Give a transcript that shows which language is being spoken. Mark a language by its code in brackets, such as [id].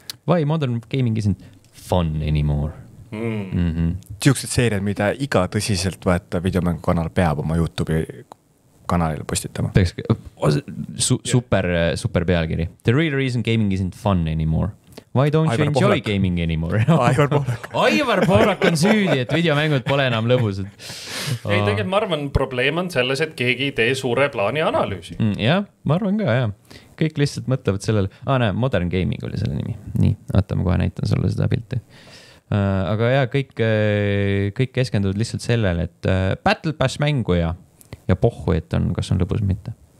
[en] Why modern gaming isn't fun anymore? [et] Siuksed seeriad, mida iga tõsiselt võeta videomängu kanal peab oma YouTube kanalile postitama. Super pealkiri. [en] The real reason gaming isn't fun anymore. Why don't you enjoy gaming anymore? [et] Aivar Pohlak on süüdi, et videomängud pole enam lõbused. Ei, tegelikult ma arvan, probleem on selles, et keegi ei tee suure plaani analüüsi. Jah, ma arvan ka, jah. kõik lihtsalt mõtlevad sellele. Ah, näe, Modern Gaming oli selle nimi. Nii, vaata, ma kohe näitan sulle seda pilti. Aga jah, kõik keskenduvad lihtsalt sellele, et Battle Pass mängu ja pohu, et on, kas on lõpus mitte.